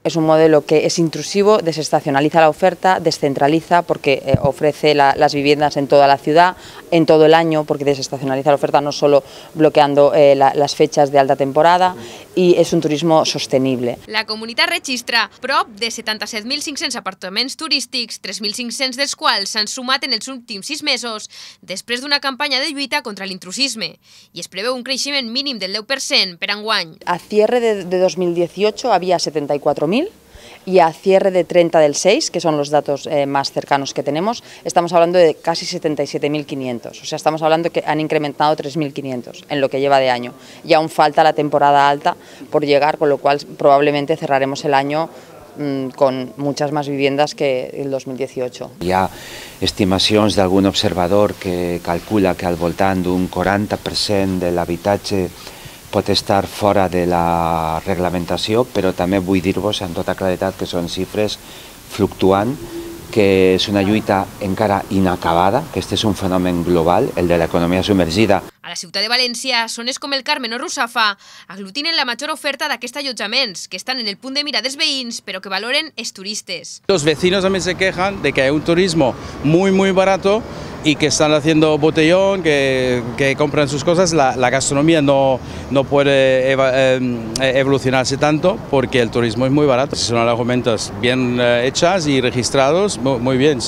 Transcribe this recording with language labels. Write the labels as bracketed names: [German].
[Catalan] És un model que és intrusiu, desestacionalitza l'oferta, descentralitza perquè [Spanish] ofrece les vivendes en toda la ciudad, en todo el año, porque desestacionaliza la oferta, no solo bloqueando las fechas de alta temporada, y es un turismo sostenible. [Catalan] La comunitat registra prop de 77.500 apartaments turístics, 3.500 dels quals s'han sumat en els últims 6 mesos, després d'una campanya de lluita contra l'intrusisme, i es preveu un creixement mínim del 10% per enguany. [Spanish] A cierre de 2018 havia 74.000, y a cierre de 30 del 6, que son los datos más cercanos que tenemos, estamos hablando de casi 77.500. O sea, estamos hablando que han incrementado 3.500 en lo que lleva de año. Y aún falta la temporada alta por llegar, con lo cual probablemente cerraremos el año con muchas más viviendas que el 2018. [Catalan] Hi ha estimacions d'algun observador que calcula que al voltant d'un 40% de l'habitatge pot estar fora de la reglamentació, però també vull dir-vos amb tota claredat que són xifres fluctuant, que és una lluita encara inacabada, que aquest és un fenomen global, el de l'economia submergida. A la ciutat de València, zones com el Carmen o Russafa aglutinen la major oferta d'aquests allotjaments, que estan en el punt de mira dels veïns, però que valoren els turistes. [Spanish] Los vecinos también se quejan de que hay un turismo muy, muy barato, y que están haciendo botellón, que compran sus cosas, la gastronomía no puede evolucionarse tanto porque el turismo es muy barato. Si son argumentos bien hechas y registrados, muy bien.